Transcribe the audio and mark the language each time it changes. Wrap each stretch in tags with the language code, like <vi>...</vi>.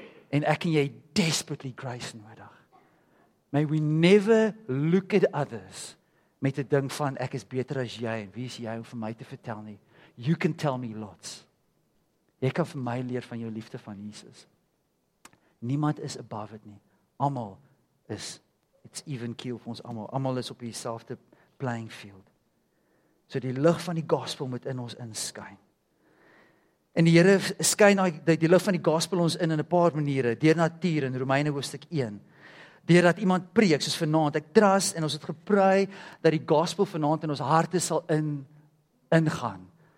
<af>En ek en jy desperately grace nodig.</af> <en>May we never look at others</en> <af>met die ding van, ek is beter as jy, en wie is jy om vir my te vertel nie?</af> <en>You can tell me lots.</en> <af>Jy kan vir my leer van jou liefde van Jesus. Niemand is above it nie. Almal is,</af> <en>it's even keel</en> <af>vir ons almal. Almal is op dieselfde playing field. So die lig van die gospel moet in ons inskyn. En die Here skyn die lig van die gospel ons in 'n paar maniere. Deur natuur in Romeine hoofstuk 1. Deur dat iemand preek, soos vanaand. Ek trust en ons het gepraai dat die gospel vanaand in ons harte sal ingaan.</af>